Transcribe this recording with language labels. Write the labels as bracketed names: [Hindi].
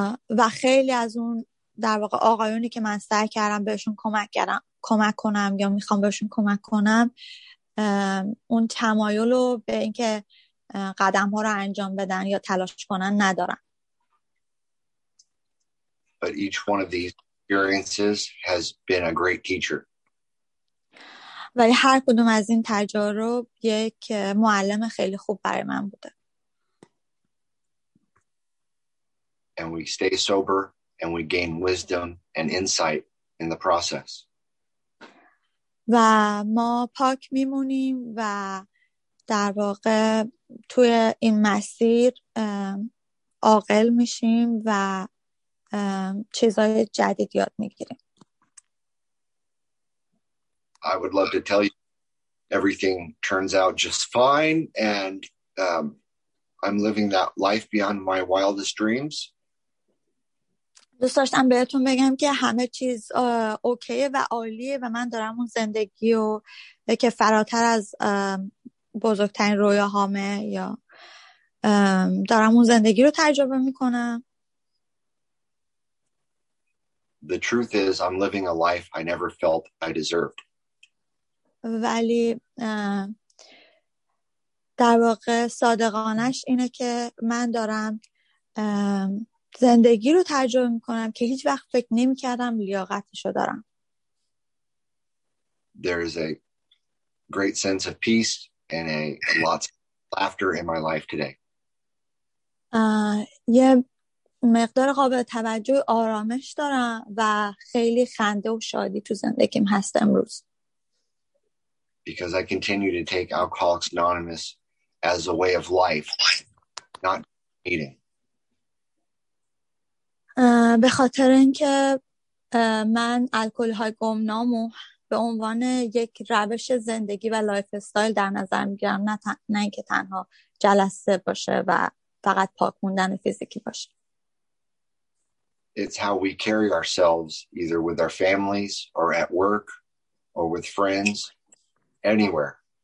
[Persian] و خیلی از اون در واقع آقایونی که من سعی کردم بهشون کمک کنم یا میخوام بهشون کمک کنم، اون تمایل رو به اینکه قدم ها رو انجام بدن یا تلاش کنن ندارن. [English] But each one of these experiences has been a great teacher. [Persian] ولی هر کدوم از این تجارب یک معلم خیلی خوب برای من بوده. [English] And we stay sober. And we gain wisdom and insight in the process. [Persian] و ما پاک میمونیم و در واقع توی این مسیر عاقل میشیم و چیزای جدید یاد میگیریم. [English] I would love to tell you everything turns out just fine, and I'm living that life beyond my wildest dreams. [Persian] دوست داشتم بهتون بگم که همه چیز اوکیه و عالیه و من دارم اون زندگی و که فراتر از بزرگترین رویاهامه یا دارم اون زندگی رو تجربه میکنم. [English] The truth is I'm living a life I never felt I deserved. [Persian] ولی در واقع صادقانش اینه که من دارم زندگی رو تجربه میکنم که هیچ وقت فکر نمیکردم لیاقتشو دارم. [English] There is a great sense of peace and a lots of laughter in my life today. [Persian] یه مقدار قابل توجه آرامش دارم و خیلی خنده و شادی تو زندگیم هست امروز. [English] Because I continue to take Alcoholics Anonymous as a way of life, not eating. [Persian] به خاطر اینکه من الکل های گمنامو به عنوان یک روش زندگی و لایف استایل در نظر میگیرم، نه اینکه تنها جلسه باشه و فقط پاک موندن فیزیکی باشه. [English] It's how we carry ourselves either with our families or at work or with friends anywhere.